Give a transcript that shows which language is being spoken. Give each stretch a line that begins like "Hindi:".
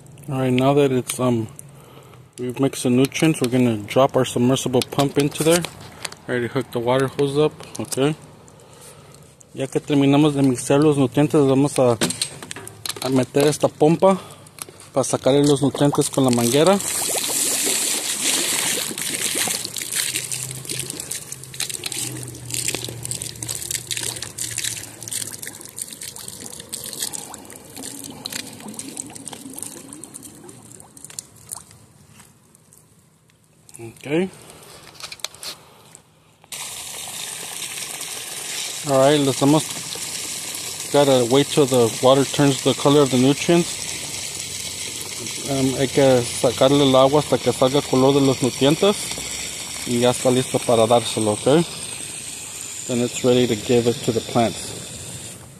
English: All right, now that it's we've mixed the nutrients, we're gonna drop our submersible pump into there. Already hooked the water hose up. Okay.
Spanish: Ya que terminamos de mixar los nutrientes, vamos a meter esta pompa para sacar los nutrientes con la manguera.
English: Okay. All right, let's almost gotta wait till the water turns the color of the nutrients.
Spanish: Hay que sacarle el agua hasta que salga el color de los nutrientes y ya está listo para dárselo, ok?
English: Then it's ready to give it to the plants.